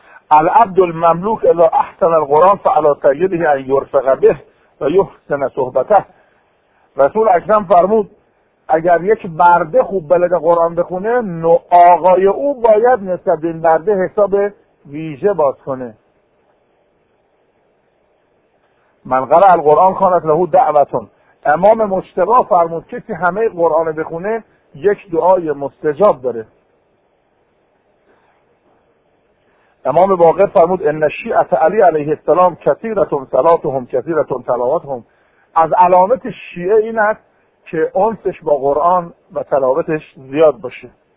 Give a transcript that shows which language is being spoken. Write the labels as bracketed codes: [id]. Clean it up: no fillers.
[ar] العبد المملوک الا احسن القرآن فعلا سیده ان یرفق به و یحسن صحبته. [fa] رسول اکرم فرمود اگر یک برده خوب بلده قرآن بخونه نو آقای او باید نسبت به این برده حساب ویژه باز کنه. [ar] من قرأ القرآن کانت له دعوتون. [fa] امام مجتبی فرمود کسی همه قرآن بخونه یک دعای مستجاب داره. [ar] امام باقر فرمود ان شیعت علی علیه السلام کثیرتون صلاتهم کثیرتون تلاوتهم. [fa] از علامت شیعه این است که انسش با قرآن و تلاوتش زیاد باشه.